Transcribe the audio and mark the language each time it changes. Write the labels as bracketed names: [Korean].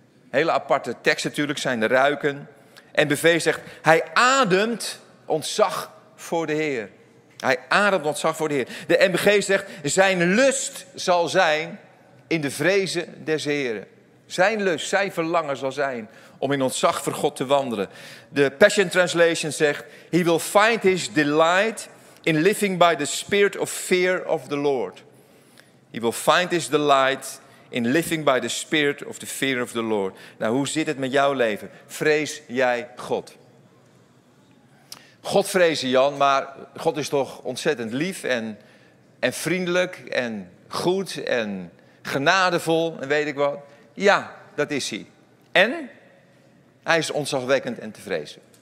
[Dutch] Hele aparte tekst natuurlijk, zijn de ruiken. En BV zegt, hij ademt ontzag voor de Heer. Hij ademt ontzag voor de Heer. De MBG zegt, zijn lust zal zijn in de vrezen des Heren. Zijn lust, zijn verlangen zal zijn om in ontzag voor God te wandelen. [English] De Passion Translation zegt, he will find his delight in living by the spirit of fear of the Lord. He will find his delight in living by the spirit of the fear of the Lord. [Dutch] Nou, hoe zit het met jouw leven? Vrees jij God? God vrezen, Jan, maar God is toch ontzettend lief en vriendelijk en goed en genadevol en weet ik wat. Ja, dat is hij. En hij is onzagwekkend en te vrezen.